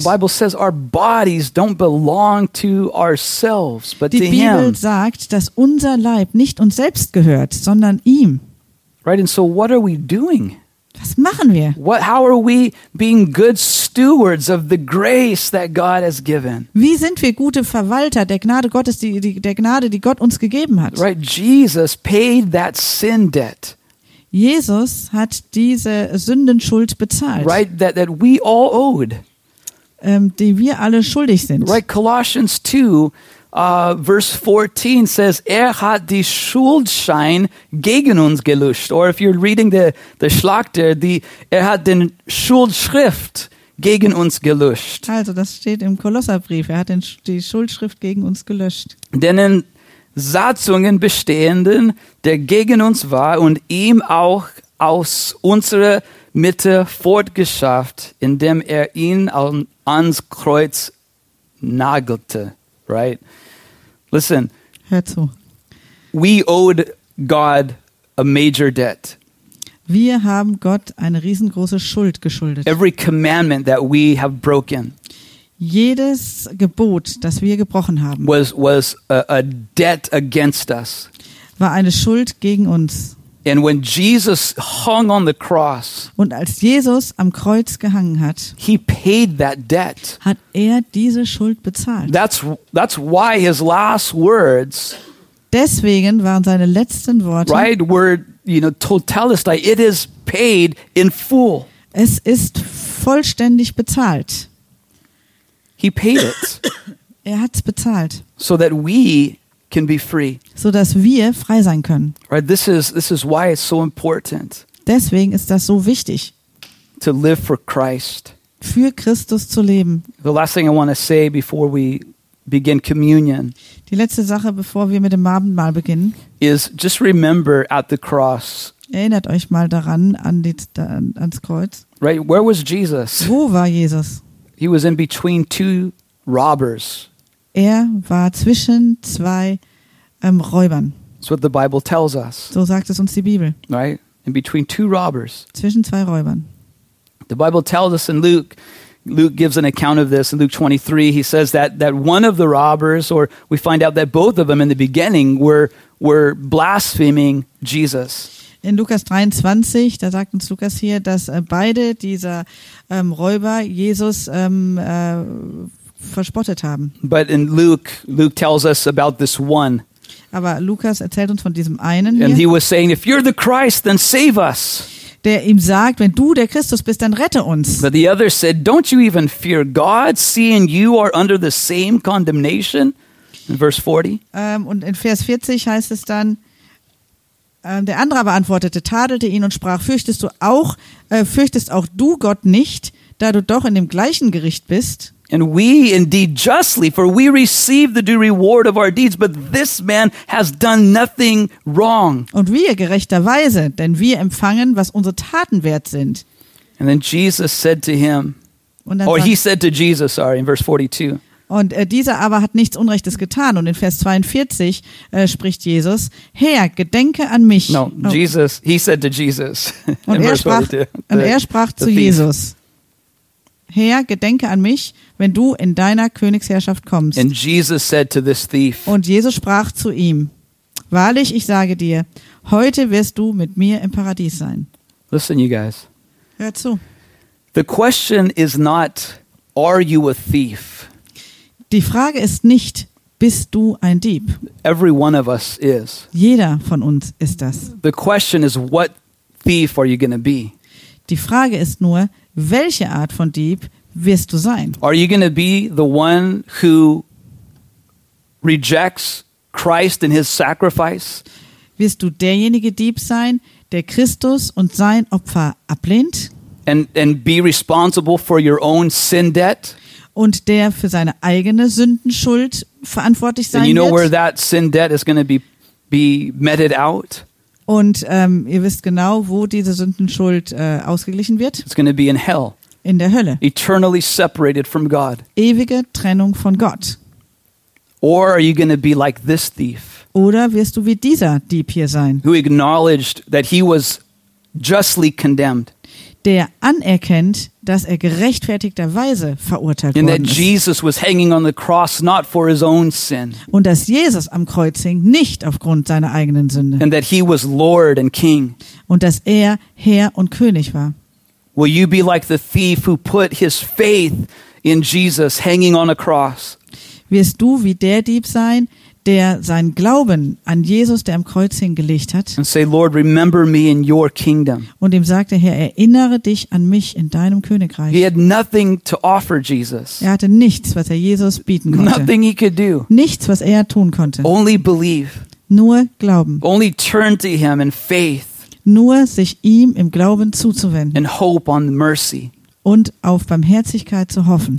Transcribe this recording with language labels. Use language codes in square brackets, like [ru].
[en] The Bible says our bodies don't belong to ourselves, but to him. [de] Die Bibel sagt, dass unser Leib nicht uns selbst gehört, sondern ihm. [en] Right, and so what are we doing? [de] Was machen wir? [en] What, how are we being good stewards of the grace that God has given? [de] Wie sind wir gute Verwalter der Gnade Gottes, der Gnade, die Gott uns gegeben hat? [en] Right, Jesus paid that sin debt. [de] Jesus hat diese Sündenschuld bezahlt. [en] Right, that we all owed. [de] Die wir alle schuldig sind. [en] Right, Colossians 2, verse 14 says, [de] er hat die Schuldschein gegen uns gelöscht. [en] Or if you're reading the [de] Schlachter, er hat den Schuldschrift gegen uns gelöscht. Also das steht im Kolosserbrief, er hat die Schuldschrift gegen uns gelöscht. Denn in Satzungen bestehenden, der gegen uns war und ihm auch aus unserer Mitte fortgeschafft, indem er ihn ans Kreuz nagelte. [en] Right? Listen. [de] Hör zu. [en] We owed God a major debt. [de] Wir haben Gott eine riesengroße Schuld geschuldet. [en] Every commandment that we have broken. [de] Jedes Gebot, das wir gebrochen haben, [en] was a debt against us. [de] War eine Schuld gegen uns. [en] And when Jesus hung on the cross, [de] und als Jesus am Kreuz gehangen hat, [en] he paid that debt. [de] Hat er diese Schuld bezahlt. [en] That's why his last words, [de] deswegen waren seine letzten Worte, [en] right, were, you know, totalistai, it is paid in full. [de] Es ist vollständig bezahlt. [en] He paid it. [de] Er hat's bezahlt. [en] So that we can be free. [de] So dass wir frei sein können. [en] Right, this is why it's so important. [de] Deswegen ist das so wichtig. [en] To live for Christ. [de] Für Christus zu leben. [en] The last thing I want to say before we begin communion. [de] Die letzte Sache, bevor wir mit dem Abendmahl beginnen, [en] is just remember at the cross. [de] Erinnert euch mal daran ans Kreuz. [en] Right, where was Jesus? [de] Wo war Jesus? [en] He was in between two robbers. [de] Er war zwischen zwei Räubern. [en] That's what the Bible tells us. [de] So sagt es uns die Bibel. [en] Right, in between two robbers. [de] Zwischen zwei Räubern. [en] The Bible tells us in Luke. Luke gives an account of this in Luke 23. He says that one of the robbers, or we find out that both of them in the beginning were blaspheming Jesus. [de] In Lukas 23, da sagt uns Lukas hier, dass beide dieser Räuber Jesus verspottet haben. [en] But in Luke tells us about this one. [de] Aber Lukas erzählt uns von diesem einen. [en] And [de] hier. [en] He was saying, if you're the Christ, then save us. [de] Der ihm sagt, wenn du der Christus bist, dann rette uns. [en] But the other said, don't you even fear God, seeing you are under the same condemnation? In verse 40. [de] Und in Vers 40 heißt es dann, der andere aber antwortete, tadelte ihn und sprach, fürchtest auch du Gott nicht, da du doch in dem gleichen Gericht bist? [en] And we indeed justly, for we receive the due reward of our deeds, but this man has done nothing wrong. [de] Und wir gerechterweise, denn wir empfangen, was unsere Taten wert sind. [en] And then Jesus said to him, in verse 42. [de] Und dieser aber hat nichts Unrechtes getan. Und in Vers 42 spricht Jesus, Herr, gedenke an mich. [en] No, Jesus, he said to Jesus. [de] Und er sprach zu Jesus. Herr, gedenke an mich, wenn du in deiner Königsherrschaft kommst. [en] And Jesus said to this thief, [de] und Jesus sprach zu ihm, wahrlich, ich sage dir, heute wirst du mit mir im Paradies sein. [en] Listen, you guys. [de] Hör zu. [en] The question is not, are you a thief? [de] Die Frage ist nicht, bist du ein Dieb? [en] Every one of us is. [de] Jeder von uns ist das. [en] The question is, what thief are you gonna be? [de] Die Frage ist nur, welche Art von Dieb wirst du sein? [en] Are you gonna be the one who rejects Christ and his sacrifice? [de] Wirst du derjenige Dieb sein, der Christus und sein Opfer ablehnt? [en] And be responsible for your own sin debt? [de] Und der für seine eigene Sündenschuld verantwortlich sein wird. Und ihr wisst genau, wo diese Sündenschuld ausgeglichen wird. [en] It's gonna be in hell. [de] In der Hölle. [en] Eternally separated from God. [de] Ewige Trennung von Gott. [en] Or are you gonna be like this thief? [de] Oder wirst du wie dieser Dieb hier sein? [en] Who acknowledged that he was justly condemned. [de] Der anerkennt, dass er gerechtfertigterweise verurteilt worden ist. [en] Jesus was hanging on the cross not for his own sin. [de] Und dass Jesus am Kreuz hing, nicht aufgrund seiner eigenen Sünde. [en] And that he was Lord and King. [de] Und dass er Herr und König war. [en] Will you be like the thief who put his faith in Jesus hanging on a cross? [de] Wirst du wie der Dieb sein, der seinen Glauben an Jesus, der am Kreuz hingelegt hat, [en] and say, Lord, remember me in your kingdom. [de] Und ihm sagte, Herr, erinnere dich an mich in deinem Königreich. [en] He had nothing to offer Jesus. [de] Er hatte nichts, was er Jesus bieten konnte. [en] Nothing he could do. [de] Nichts, was er tun konnte. [en] Only believe. [de] Nur glauben. [en] Only turn to him in faith. [de] Nur sich ihm im Glauben zuzuwenden. [en] And hope on mercy. [de] Und auf Barmherzigkeit zu hoffen.